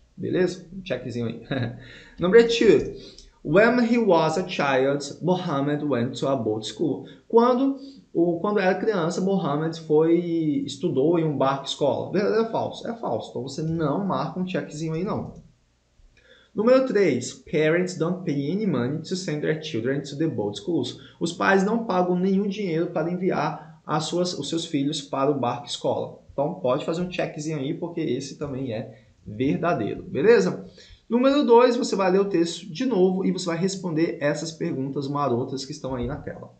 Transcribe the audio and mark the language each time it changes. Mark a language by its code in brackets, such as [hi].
[pt] Beleza? Um checkzinho aí. [en] Number 2. When he was a child, Muhammad went to a boat school. [pt] Quando era criança, Muhammad estudou em um barco escola. Verdade ou falso? É falso. Então você não marca um checkzinho aí, não. Número 3. [en] Parents don't pay any money to send their children to the boat schools. [pt] Os pais não pagam nenhum dinheiro para enviar os seus filhos para o barco escola. Então pode fazer um checkzinho aí, porque esse também é verdadeiro, beleza? Número 2, você vai ler o texto de novo e você vai responder essas perguntas marotas que estão aí na tela.